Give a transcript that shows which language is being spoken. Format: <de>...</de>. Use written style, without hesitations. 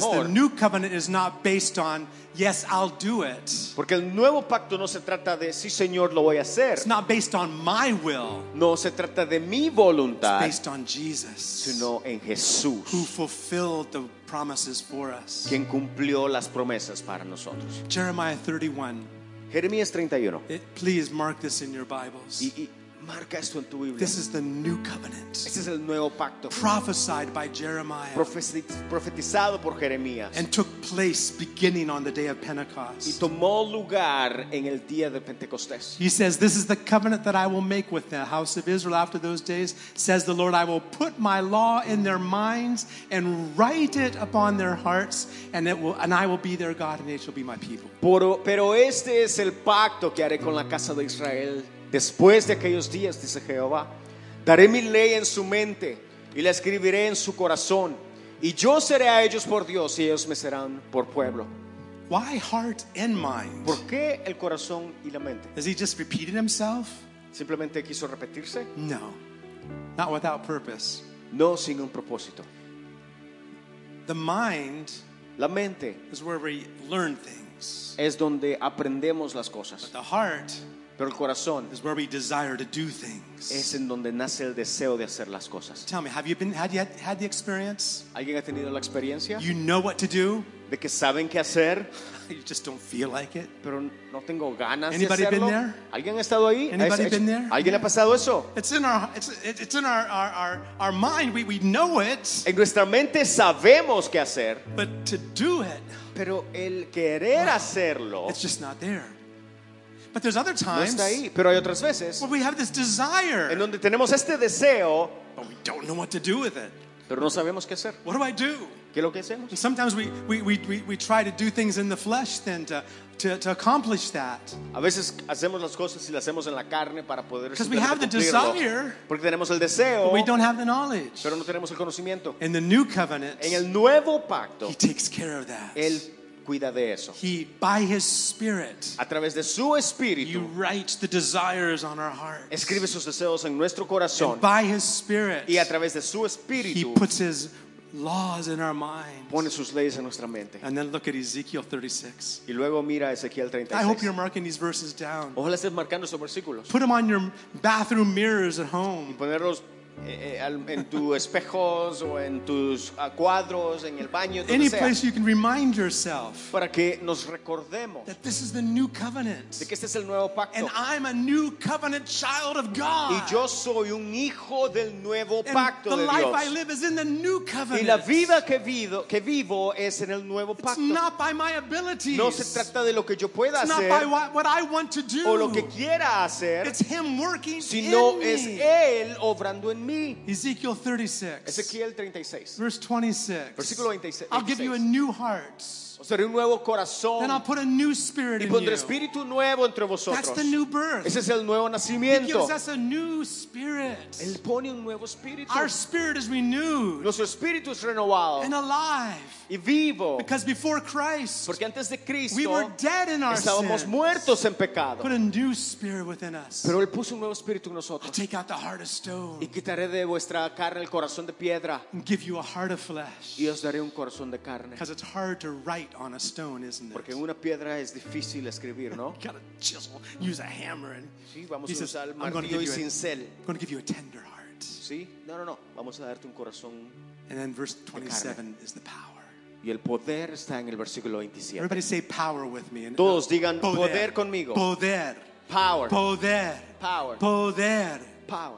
<en>Because the new covenant is not based on yes, I'll do it.</en> <es>Porque el nuevo pacto no se trata de sí, Señor, lo voy a hacer.</es> <en>It's not based on my will.</en> <es>No se trata de mi voluntad.</es> <en>It's based on Jesus.</en> <es>Sino en Jesús.</es> <en>Who fulfilled the promises for us.</en> <es>Quien cumplió las promesas para nosotros.</es> <en>Jeremiah 31.</en> <es>Jeremías 31.</es> <en>Please mark this in your Bibles.</en> <es>Y marca esto en tu Biblia.</es> <en>This is the new covenant.</en> <es>Este es el nuevo pacto.</es> <en>Prophesied by Jeremiah.</en> <es>Profetizado por Jeremías.</es> <en>And took place beginning on the day of Pentecost.</en> <es>Y tomó lugar en el día de Pentecostés.</es> <en>He says, "This is the covenant that I will make with the house of Israel after those days," says the Lord. "I will put my law in their minds and write it upon their hearts, and it will, and I will be their God, and they shall be my people."</en> <es>Pero este es el pacto que haré con la casa de Israel. Después de aquellos días, dice Jehová, daré mi ley en su mente y la escribiré en su corazón, y yo seré a ellos por Dios y ellos me serán por pueblo.</es> <en>Why heart and mind?</en> <es>¿Por qué el corazón y la mente?</es> <en>Is he just repeating himself?</en> <es>¿Simplemente quiso repetirse?</es> <en>No. Not without purpose.</en> <es>No sin un propósito.</es> <en>The mind,</en> <es>la mente,</es> <en>is where we learn things.</en> <es>Es donde aprendemos las cosas.</es> <en>But the heart,</en> <es>pero el corazón,</es> <en>is where we desire to do things.</en> <es>Es en donde nace el deseo de hacer las cosas.</es> <en>Tell me, have you been had the experience?</en> <es>¿Alguien ha tenido la experiencia?</es> <en>You know what to do,</en> <es>de que saben qué hacer.</es> <en>You just don't feel like it.</en> <es>Pero no tengo ganas.</es> <en>Anybody</en> <es>de hacerlo.</es> <en>Been there?</en> <es>¿Alguien ha estado ahí?</es> <en>Anybody</en> <es>¿Ha</es> <en>been there?</en> <es>¿Alguien</es> <en>yeah.</en> <es>ha pasado eso?</es> <en>It's in our mind. We know it.</en> <es>En nuestra mente sabemos qué hacer.</es> <en>But to do it,</en> <es>pero el querer hacerlo,</es> <en>it's just not there. But there's other times.</en> <es>No está ahí, pero hay otras veces.</es> <en>Where we have this desire.</en> <es>En donde tenemos este deseo.</es> <en>But we don't know what to do with it.</en> <es>Pero no sabemos qué hacer.</es> <en>What do I do?</en> <es>¿Qué es lo que hacemos?</es> <en>And sometimes we try to do things in the flesh then to accomplish that.</en> <es>A veces hacemos las cosas y las hacemos en la carne para poder.</es> <en>Because we have the desire.</en> <es>Porque tenemos el deseo.</es> <en>But we don't have the knowledge.</en> <es>Pero no tenemos el conocimiento.</es> <en>In the new covenant.</en> <es>En el nuevo pacto.</es> <en>He takes care of that.</en> <es>Él cuida de eso.</es> <en>He, by his spirit,</en> <es>a través de su espíritu,</es> <en>he writes the desires on our hearts.</en> <es>Escribe sus deseos en nuestro corazón.</es> <en>And by his spirit,</en> <es>y a través de su espíritu,</es> <en>he puts his laws in our minds.</en> <es>Pone sus leyes en nuestra mente.</es> <en>And then look at Ezekiel 36.</en> <es>Y luego mira Ezequiel 36.</es> <en>I hope you're marking these verses down.</en> <es>Ojalá estés marcando esos versículos.</es> <en>Put them on your bathroom mirrors at home.</en> <es>Y ponerlos en tus espejos o en tus cuadros en el baño, donde</es> <en>any</en> <es>sea,</es> <en>place you can remind yourself,</en> <es>para que nos recordemos,</es> <en>that this is the new covenant,</en> <es>de que este es el nuevo pacto,</es> <en>and I'm a new covenant child of God,</en> <es>y yo soy un hijo del nuevo</es> <en>and</en> <es>pacto</es> <en>the</en> <es>de</es> <en>life</en> <es>Dios.</es> <en>I live is in the new covenant,</en> <es>y la vida que vivo es en el nuevo pacto.</es> <en>It's not by my abilities,</en> <es>no se trata de lo que yo pueda</es> <en>it's</en> <es>hacer,</es> <en>not by what I want to do,</en> <es>o lo que quiera hacer,</es> <en>it's him working</en> <es>sino</es> <en>in</en> <es>es</es> <en>me.</en> <es>Él obrando en me.</es> <en>Ezekiel 36.</en> <es>Ezequiel 36.</es> <en>Verse 26.</en> <es>Versículo 26.</es> <en>I'll give you a new heart.</en> <es>Os daré un nuevo corazón.</es> <en>Then I'll put a new spirit in you.</en> <es>Y pondré espíritu nuevo entre vosotros.</es> <en>That's the new birth.</en> <es>Ese es el nuevo nacimiento.</es> <en>He gives us a new spirit.</en> <es>Él pone un nuevo espíritu.</es> <en>Our spirit is renewed.</en> <es>Nuestro espíritu es renovado.</es> <en>And alive.</en> <es>Y vivo.</es> <en>Because before Christ,</en> <es>porque antes de Cristo,</es> <en>we were dead in our</en> <es>estábamos</es> <en>sins.</en> <es>Muertos en pecado.</es> <en>Put a new spirit within us.</en> <es>Pero él puso un nuevo espíritu en nosotros.</es> <en>I'll take out the heart of stone.</en> <es>Y quitaré de vuestra carne el corazón de piedra.</es> <en>And give you a heart of flesh.</en> <es>Y os daré un corazón de carne.</es> <en>Because it's hard to write on a stone, isn't it?</en> <es>Porque una piedra es difícil escribir, ¿no?</es> <en>You gotta chisel, use a hammer, and</en> <es>sí, vamos a usar el martillo y cincel.</es> <en>I'm going to give you a tender heart.</en> <es>Sí, no. Vamos a darte un corazón.</es> <en>And then verse 27 is the power.</en> <es>Y el poder está en el versículo 27.</es> <en>Everybody say power with me.</en> <es>Todos digan poder conmigo. Poder.</es> <en>Power.</en> <es>Poder.</es> <en>Power.</en> <es>Poder.</es> <en>Power.</en>